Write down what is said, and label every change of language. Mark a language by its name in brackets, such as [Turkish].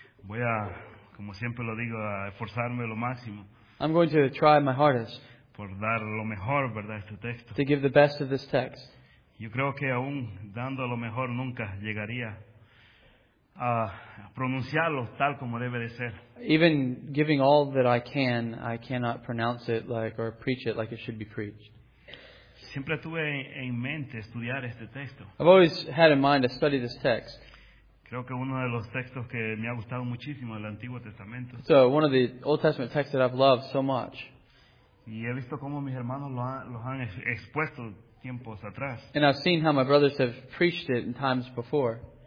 [Spanish] Voy a, como siempre lo digo, a esforzarme lo máximo. [English] I'm going to try my hardest. [Spanish] Por dar lo mejor, ¿verdad?, este texto. [English] To give the best of this text. [Spanish] Yo creo que aún dando lo mejor nunca llegaría a pronunciarlo tal como debe de ser. [English] Even giving all that I cannot pronounce it like or preach it like it should be preached. [Spanish] Siempre tuve en mente estudiar este texto. [English] I've always had in mind to study this text. [Spanish] Creo que uno de los textos que me ha gustado muchísimo del Antiguo Testamento. [English] So one of the Old Testament texts that I've loved so much. [Spanish] Y he visto cómo mis hermanos los han expuesto tiempos atrás. [English] And I've seen how my brothers have preached it in times before.